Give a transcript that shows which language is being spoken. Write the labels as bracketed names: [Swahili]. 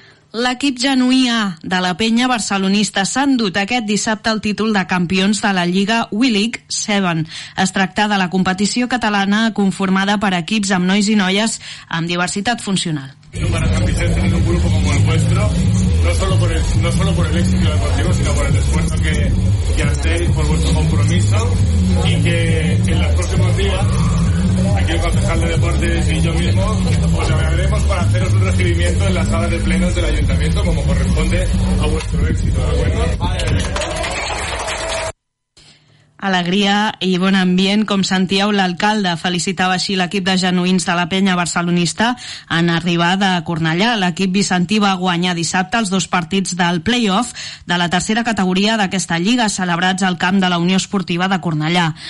[Catalan] L'equip genuí A de la penya barcelonista s'ha endut aquest dissabte el títol de campions de la Lliga WeLeague 7. Es tracta de la competició catalana conformada per equips amb nois i noies amb diversitat funcional. [Spanish] Para San Vicente, un grupo como el nuestro, no solo por el éxito deportivo, sino por el esfuerzo que hacéis, por vuestro compromiso, y que en los próximos días, aquí el concejal de deportes y yo mismo, os llamaremos para haceros un recibimiento en la sala de plenos del ayuntamiento, como corresponde a vuestro éxito, ¿de acuerdo? [Catalan] Alegria i bon ambient, com sentíeu, l'alcalde felicitava així l'equip de genuïns de la penya barcelonista en arribada a Cornellà. L'equip vicentí va guanyar dissabte els dos partits del play-off de la tercera categoria d'aquesta lliga, celebrats al camp de la Unió Esportiva de Cornellà.